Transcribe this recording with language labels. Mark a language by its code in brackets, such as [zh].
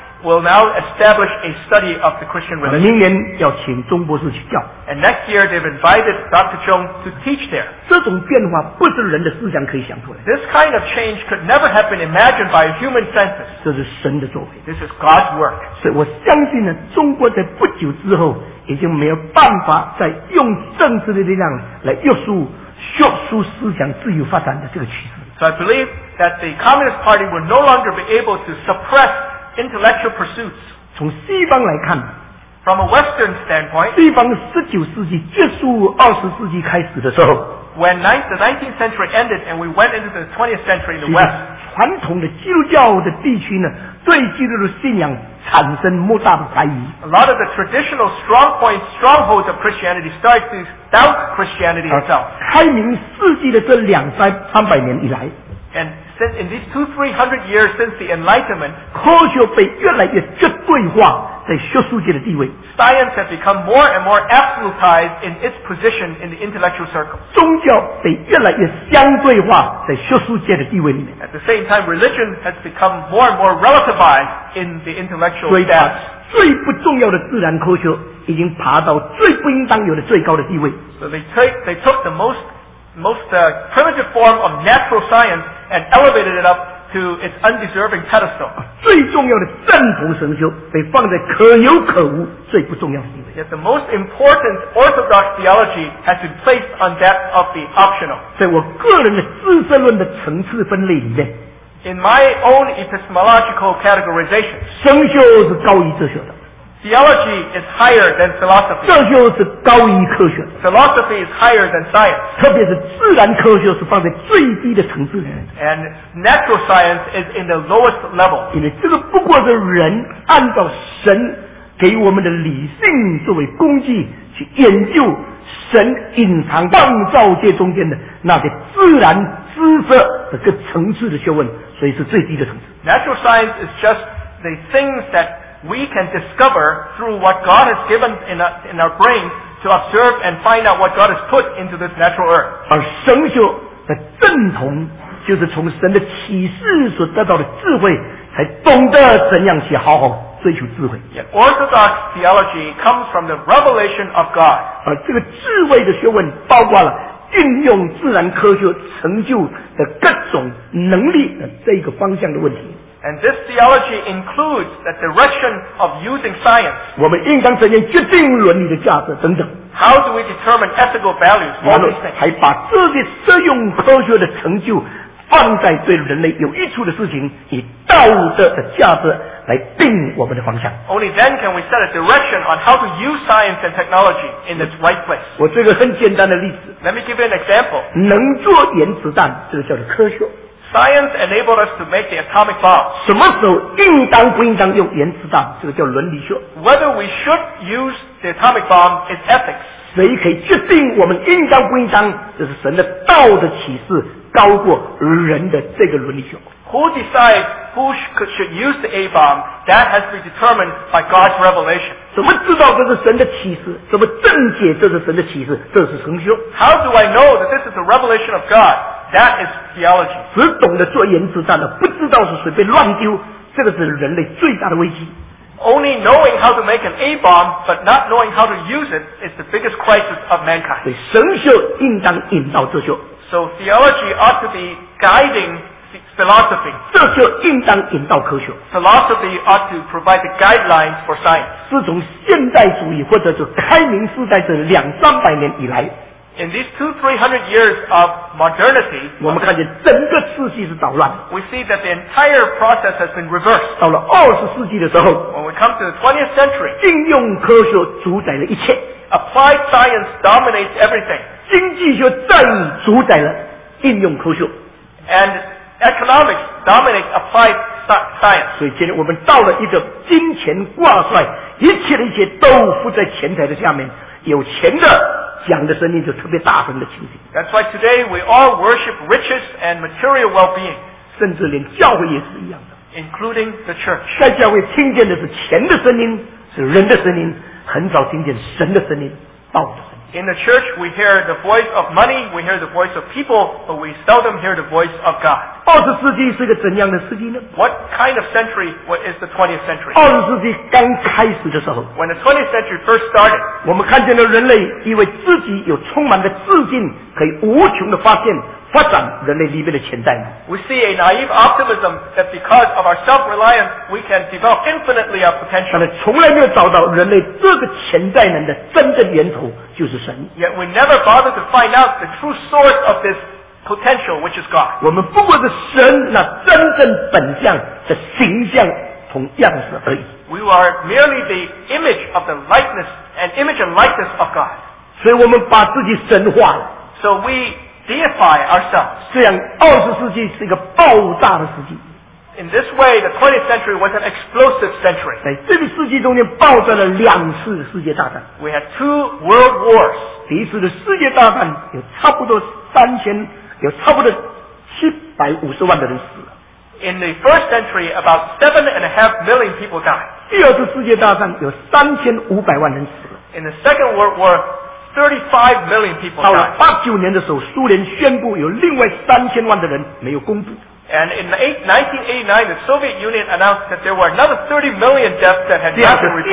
[en] Will now establish a study of the Christian religion. [zh] 明年要请钟博士去教。 [en] And next year they've invited Dr. Chung to teach there. [zh] 这种变化不是人的思想可以想出来。 [en] This kind of change could never have been imagined by a human senses. [zh] 这是神的作为。 [en] This is God's work. [zh] 所以我相信呢，中国在不久之后已经没有办法再用政治的力量来约束思想自由发展的这个趋势。 [en] So I believe that the Communist Party will no longer be able to suppress intellectual pursuits. [zh] 从西方来看 [en] from a Western standpoint, [zh] 西方19世纪结束20世纪开始的时候 [en] when the 19th century ended and we went into the 20th century in the West, [zh] 传统的基督教的地区呢对基督的信仰产生莫大的怀疑 [en] a lot of the traditional strong points, strongholds of Christianity start to doubt Christianity itself. [zh] 开明世纪的这两三百年以来 [en] And since in these 200-300 years since the Enlightenment, [zh] 科学被越来越绝对化在学术界的地位 [en] Science has become more and more absolutized in its position in the intellectual circle. [zh] 宗教被越来越相对化在学术界的地位里面 [en] At the same time, religion has become more and more relativized in the intellectual status. [zh] 最不重要的自然科学已经爬到最不应当有的最高的地位 [en] So they took the most primitive form of natural science and elevated it up to its undeserving pedestal. [zh] 最重要的正统神学被放在可有可无最不重要的地位。 [en] Yet the most important orthodox theology has been placed on that of the optional. [zh] 在我个人的知识论的层次分类里面 [en] In my own epistemological categorization, [zh] 神学是高于哲学的。 [en] Theology is higher than philosophy. [zh] 哲学是高于科学。 [en] Philosophy is higher than science. [zh] 特别是自然科学是放在最低的层次里面。 [en] And natural science is in the lowest level. [zh] 因为这个不过是人按照神给我们的理性作为工具去研究神隐藏创造界中间的那些自然知识的各层次的学问，所以是最低的层次。 [en] Natural science is just the things that we can discover through what God has given in our brain to observe and find out what God has put into this natural earth. [zh] 而神学的正统就是从神的启示所得到的智慧才懂得怎样去好好追求智慧。 [en] Yet Orthodox theology comes from the revelation of God. [zh] 而这个智慧的学问包括了运用自然科学成就的各种能力的这个方向的问题。 [en] And this theology includes the direction of using science. [zh] 我们应当承认决定伦理的价值等等。 [en] How do we determine ethical values? [zh] 然后还把这些实用科学的成就放在对人类有益处的事情，以道德的价值来定我们的方向。 [en] Only then can we set a direction on how to use science and technology in its right place. [zh] 我这个很简单的例子。 [en] Let me give you an example. [zh] 能做原子弹，这个叫做科学。 [en] Science enabled us to make the atomic bomb. [zh] 什么时候应当不应当用原子弹？这个叫伦理学。 [en] Whether we should use the atomic bomb is ethics. [zh] 谁可以决定我们应当不应当？这是神的道的启示高过人的这个伦理学。 [en] Who decides who should use the A-bomb? That has to be determined by God's revelation. [zh] 怎么知道这是神的启示？怎么证解这是神的启示？这是神学。 [en] How do I know that this is the revelation of God? That is theology. [zh] 只懂得做原子弹的，不知道是随便乱丢，这个是人类最大的危机。 [en] Only knowing how to make an A bomb, but not knowing how to use it, is the biggest crisis of mankind. [zh] 所以神学应当引导哲学。 [en] So theology ought to be guiding philosophy. [zh] 哲学应当引导科学。 [en] Philosophy ought to provide the guidelines for science. [zh] 是从现代主义或者是开明时代这两三百年以来。 [en] In these 200-300 years of modernity, [zh] 我们看见整个世纪是捣乱的。 [en] We see that the entire process has been reversed. [zh] 到了二十世纪的时候 [en] ，When we come to the 20th century, [zh] 应用科学主宰了一切。 [en] Applied science dominates everything. [zh] 经济学再主宰了应用科学。 [en] And economics dominates applied science. [zh] 所以今天我们到了一个金钱挂帅，一切的一切都附在钱财的下面，有钱的。讲的声音就特别大声的情形。 [en] That's why today we all worship riches and material well-being. [zh] 甚至连教会也是一样的。 [en] Including the church. [zh] 在教会听见的是钱的声音，是人的声音，很少听见神的声音，道的声音。 [en] In the church we hear the voice of money, we hear the voice of people, but we seldom hear the voice of God. [zh] 二十世纪是个怎样的世纪呢？ [en] What kind of century is the 20th century? [zh] 二十世纪刚开始的时候， [en] When the 20th century first started, [zh] 我们看见了人类以为自己有充满的自信，可以无穷的发现发展人类里面的潜在吗？ [en] We see a naive optimism that because of our self-reliance, we can develop infinitely our potential. [zh] 但是从来没有找到人类这个潜在能的真正源头就是神。 [en] Yet we never bother to find out the true source of this potential, which is God. [zh] 我们不过是神那真正本相的形象同样式而已。 [en] We are merely the image of the likeness, an image and likeness of God. [zh] 所以我们把自己神化了。 [en] So we deify ourselves. [zh] 这样二十世纪是一个爆炸的世纪。 [en] In this way, the 20th century was an explosive century. [zh] 在这个世纪中间爆炸了两次世界大战。 [en] We had two world wars. [zh] 第一次的世界大战有差不多三千，有差不多750万的人死了。 [en] In the first century, about 7.5 million people died. [zh] 第二次世界大战有3500万人死了。 [en] In the Second World War, 35 million people died. [zh] 到了89年的时候，苏联宣布有另外3000万的人没有公布。 [en] And in 1989, the Soviet Union announced that there were another 30 million deaths that had not been reported.